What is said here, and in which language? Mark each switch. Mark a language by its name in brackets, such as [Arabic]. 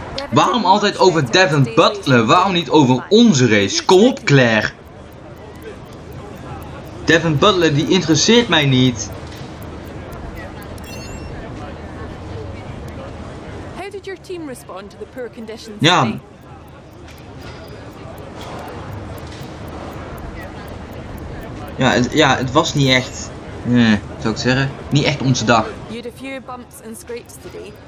[Dutch] Waarom altijd over Devin Butler? Waarom niet over onze race? Kom op, Claire. Devin Butler, die interesseert mij niet. [English] How did your team respond to the poor conditions? [Dutch] Ja. Het was niet echt, zou ik zeggen, niet echt onze dag. [English] You had a few bumps and scrapes today.